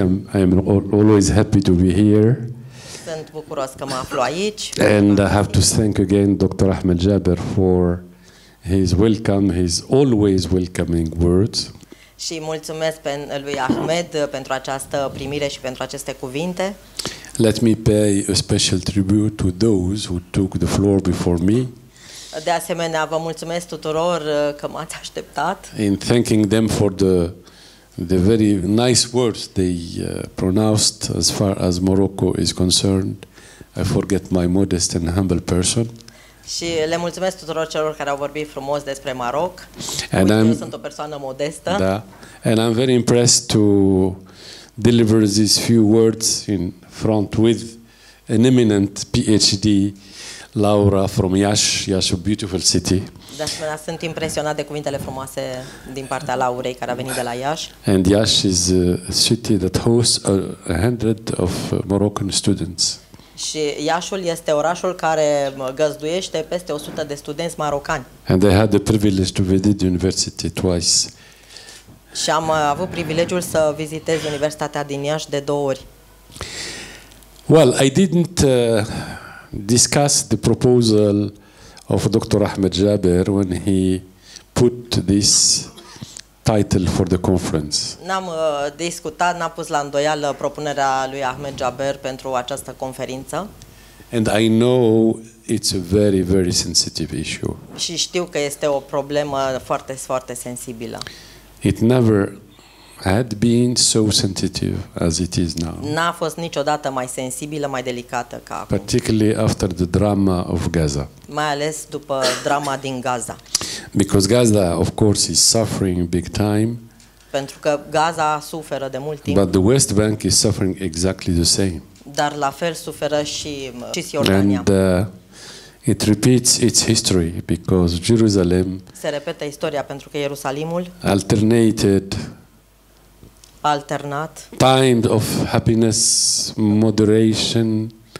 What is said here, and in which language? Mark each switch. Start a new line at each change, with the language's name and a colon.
English: I'm always happy to be here.
Romanian: Sunt bucuros că mă aflu aici.
English: And I have to thank again Dr. Ahmed Jaber for his welcome, his always welcoming words.
Romanian: Și mulțumesc lui Ahmed pentru această primire și pentru aceste cuvinte.
English: Let me pay a special tribute to those who took the floor before me.
Romanian: De asemenea, vă mulțumesc tuturor că m-ați așteptat.
English: In thanking them for the very nice words they pronounced as far as Morocco is concerned, I forget my modest and humble person.
Romanian: Și le mulțumesc tuturor celor care au vorbit frumos despre Maroc. And uite, eu sunt o persoană modestă. Da.
English: And I'm very impressed to deliver these few words in front with an eminent PhD. Laura from Iași, Iași, a beautiful city.
Romanian: De asemenea, sunt impresionat de cuvintele frumoase din partea Laurei care a venit de la Iași.
English: And Iași is a city that hosts a hundred of Moroccan students.
Romanian: Și Iașiul este orașul care găzduiește peste 100 de studenți marocani.
English: And I had the privilege to visit the university twice.
Romanian: Și am avut privilegiul să vizitez Universitatea din Iași de două ori.
English: Well, I didn't discuss the proposal of Dr. Ahmed Jaber when he put this title for the conference.
Romanian: N-am discutat, n-am pus la îndoială propunerea lui Ahmed Jaber pentru această conferință.
English: And I know it's a very, very sensitive issue.
Romanian: Și știu că este o problemă foarte, foarte sensibilă.
English: It never had been so sensitive as it is now.
Romanian: N-a fost niciodată mai sensibilă, mai delicată ca acum.
English: Particularly after the drama of Gaza.
Romanian: Mai ales după drama din Gaza.
English: Because Gaza, of course, is suffering big time.
Romanian: Pentru că Gaza suferă de mult timp.
English: But the West Bank is suffering exactly the same.
Romanian: Dar la fel suferă și Cisjordania.
English: And it repeats its history because Jerusalem
Romanian: se repetă istoria pentru că Ierusalimul
English: alternated
Romanian: alternat.
English: Time of happiness, moderation,